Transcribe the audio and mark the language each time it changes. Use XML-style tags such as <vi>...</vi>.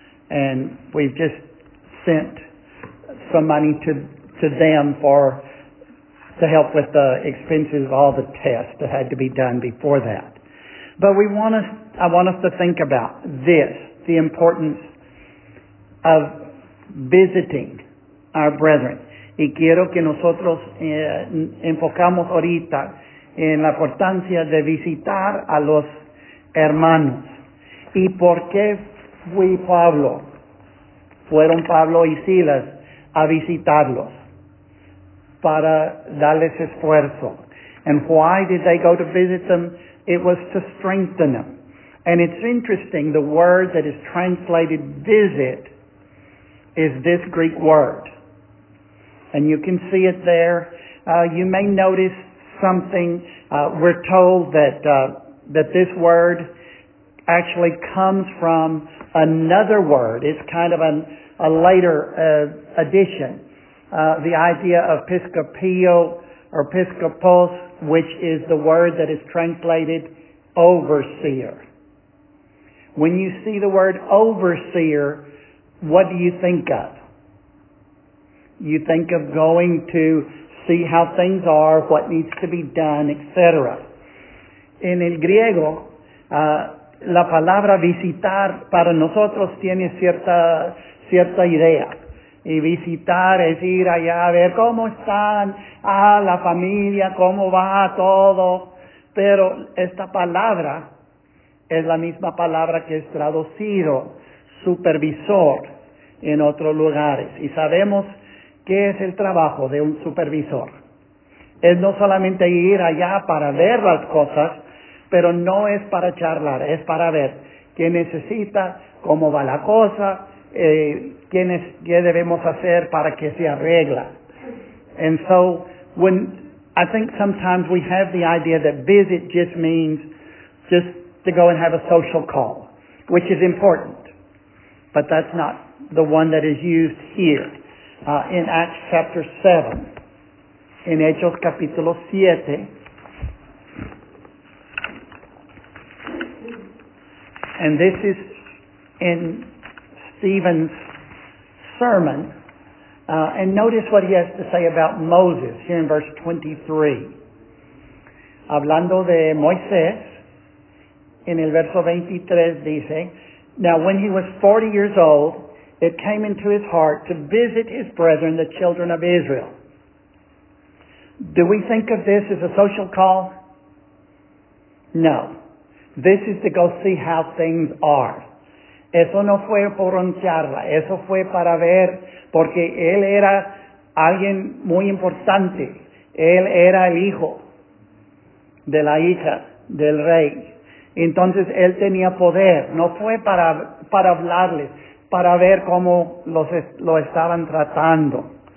<en>And we've just sent some money to them for to help with the expenses of all the tests that had to be done before that. But I want us to think about this, the importance of visiting our brethren.</en> <es>Y quiero que nosotros enfocamos ahorita en la importancia de visitar a los hermanos. ¿Y por qué fui Pablo? Fueron Pablo y Silas a visitarlos para darles esfuerzo.</es> <en>And why did they go to visit them? It was to strengthen them. And it's interesting, the word that is translated visit is this Greek word. And you can see it there. You may notice something. We're told that this word actually comes from another word. It's kind of a later addition. The idea of episcopio or episcopos, which is the word that is translated overseer. When you see the word overseer, what do you think of? You think of going to see how things are, what needs to be done, etc.</en> <es>En el griego, la palabra visitar para nosotros tiene cierta idea. Y visitar es ir allá a ver cómo están, la familia, cómo va todo. Pero esta palabra es la misma palabra que es traducido, supervisor, en otros lugares. Y sabemos ¿qué es el trabajo de un supervisor? Es no solamente ir allá para ver las cosas, pero no es para charlar, es para ver qué necesita, cómo va la cosa, qué debemos hacer para que se arregla.</es> <en>And so, when I think sometimes we have the idea that visit just means just to go and have a social call, which is important, but that's not the one that is used here. In Acts chapter 7,</en> <es>in Hechos capítulo 7,</es> <en>and this is in Stephen's sermon, and notice what he has to say about Moses here in verse 23.</en> <es>Hablando de Moisés, en el verso 23 dice,</es> <en>"Now when he was 40 years old, it came into his heart to visit his brethren, the children of Israel." Do we think of this as a social call? No. This is to go see how things are.</en> <es>Eso no fue por un charla. Eso fue para ver, porque él era alguien muy importante. Él era el hijo de la hija del rey. Entonces él tenía poder, no fue para hablarles, para ver cómo lo estaban tratando.</es>